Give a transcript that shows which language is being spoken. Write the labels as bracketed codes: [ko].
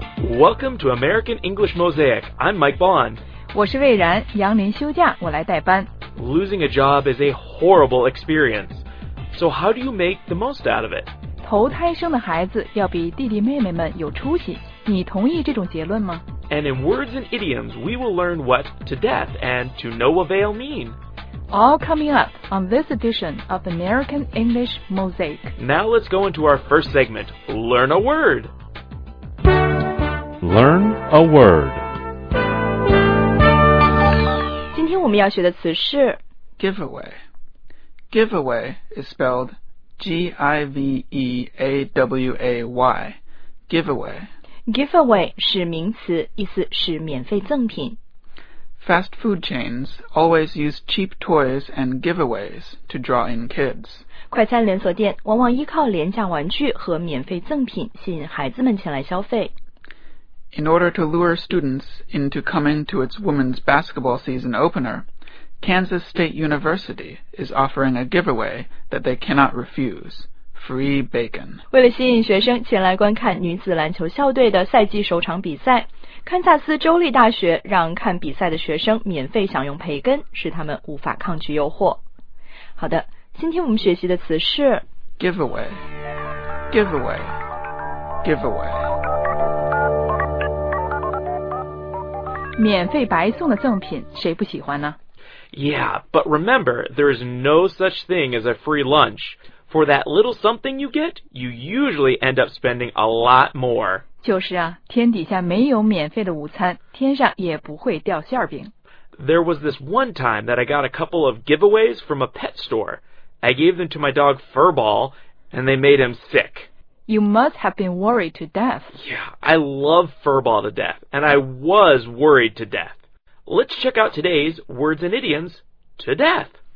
[en] Welcome to American English Mosaic. I'm Mike Bond. [zh] 我是魏然，杨林休假，我来代班。 [en] Losing a job is a horrible experience. So how do you make the most out of it? [zh] 头胎生的孩子要比弟弟妹妹们有出息。你同意这种结论吗？ [en] And in words and idioms, we will learn what to death and to no avail mean. All coming up on this edition of American English Mosaic. Now let's go into our first segment, Learn a Word. Learn a word. [zh] 今天我们要学的词是 [en] giveaway. Giveaway is spelled G-I-V-E-A-W-A-Y. Giveaway. [zh] Giveaway 是名词，意思是免费赠品。 [en] Fast food chains always use cheap toys and giveaways to draw in kids. [zh] 快餐连锁店往往依靠廉价玩具和免费赠品吸引孩子们前来消费。 [en] In order to lure students into coming to its women's basketball season opener, Kansas State University is offering a giveaway that they cannot refuse, free bacon. [zh] 为了吸引学生前来观看女子篮球校队的赛季首场比赛，堪萨斯州立大学让看比赛的学生免费享用培根，使他们无法抗拒诱惑。好的，今天我们学习的词是 [en] giveaway, giveaway, giveaway. [zh] 免费白送的赠品谁不喜欢呢 [en] Yeah, but remember, there is no such thing as a free lunch. For that little something you get, you usually end up spending a lot more. [zh] 就是啊，天底下没有免费的午餐，天上也不会掉馅饼。 [en] There was this one time that I got a couple of giveaways from a pet store. I gave them to my dog Furball, and they made him sick. You must have been worried to death. Yeah, I love Furball to death, and I was worried to death. Let's check out today's words and idioms to death.